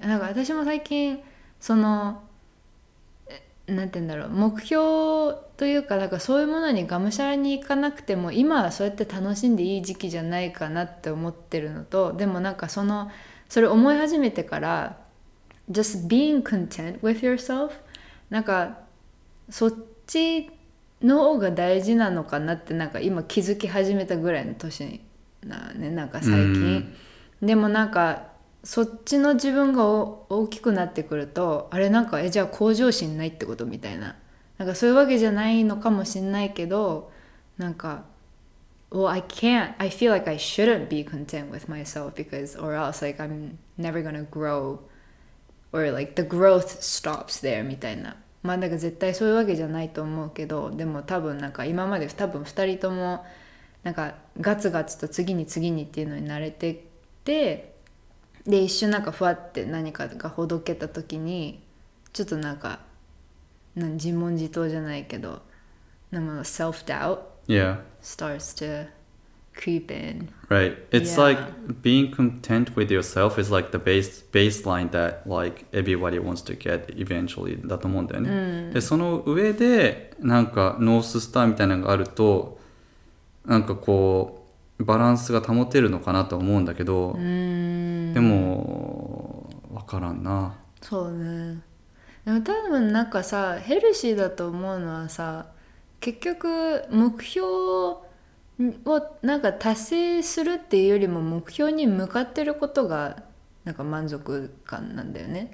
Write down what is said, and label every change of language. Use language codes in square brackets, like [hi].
[ja] なんか私も最近その、なんて言うんだろう、目標というか、なんかそういうものにがむしゃらにいかなくても今はそうやって楽しんでいい時期じゃないかなって思ってるのと、でもなんかそのそれ思い始めてから [en] Just being content with yourself、 [ja] なんかそっちの方が大事なのかなってなんか今気づき始めたぐらいの年なね、なんか最近。でもなんかそっちの自分が大きくなってくると、あれなんか、じゃあ向上心ないってことみたいな、なんかそういうわけじゃないのかもしれないけど、なんか [en] well, I can't, I feel like I shouldn't be content with myself because, or else like I'm never gonna grow or like the growth stops there [ja] みたいな。まあ、だから絶対そういうわけじゃないと思うけど、でも多分なんか今まで多分2人ともなんかガツガツと次に次にっていうのに慣れてて、で一瞬なんかふわって何かがほどけた時にちょっとなんか自問自答じゃないけど、なんか [en] self doubt、 yeah. starts to creep in. Right. It's、yeah. like being content with yourself is like the baseline that like everybody wants to get eventually [ja] だと思うんだよね。うん、でその上でなんかノーススターみたいなのがあるとなんかこうバランスが保てるのかなと思うんだけど、うん、でも分からんな。そうね。でも多分なんかさヘルシーだと思うのはさ結局目標をなんか達成するっていうよりも目標に向かってることがなんか満足感なんだよね。